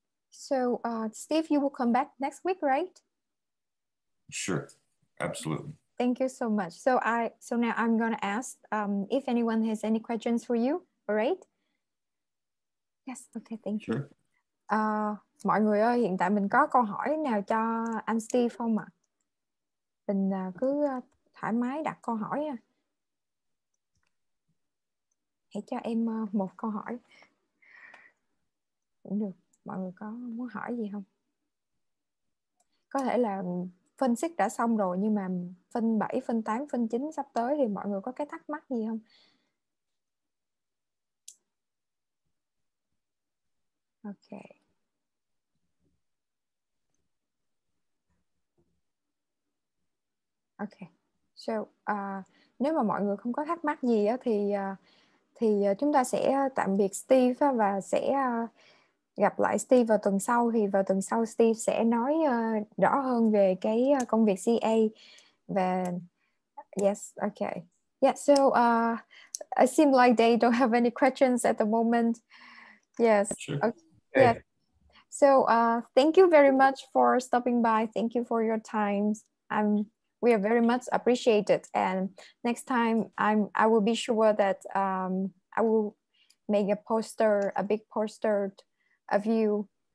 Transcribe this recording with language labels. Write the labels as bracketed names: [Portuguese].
[English] So Steve, you will come back next week, right? Sure. Absolutely. Thank you so much. So now I'm going to ask if anyone has any questions for you. All right? Yes. Okay. Thank you. Sure. [Vietnamese] Mọi người ơi, hiện tại mình có câu hỏi nào cho anh Steve không ạ? Mình cứ thoải mái đặt câu hỏi nha. Hãy cho em một câu hỏi. Cũng được. Mọi người có muốn hỏi gì không? Có thể là phân xích đã xong rồi, nhưng mà phân 7, phân 8, phân 9 sắp tới thì mọi người có cái thắc mắc gì không? [English] Ok. Ok. So, [Vietnamese] nếu mà mọi người không có thắc mắc gì thì chúng ta sẽ tạm biệt Steve và sẽ gặp lại Steve vào tuần sau. Thì vào tuần sau Steve sẽ nói rõ hơn về cái công việc CA. Và [English] yes, okay. Yeah, so it seems like they don't have any questions at the moment. Yes. Sure. Okay. Yeah. So thank you very much for stopping by. Thank you for your time. We are very much appreciated. And next time I will be sure that I will make a big poster of you.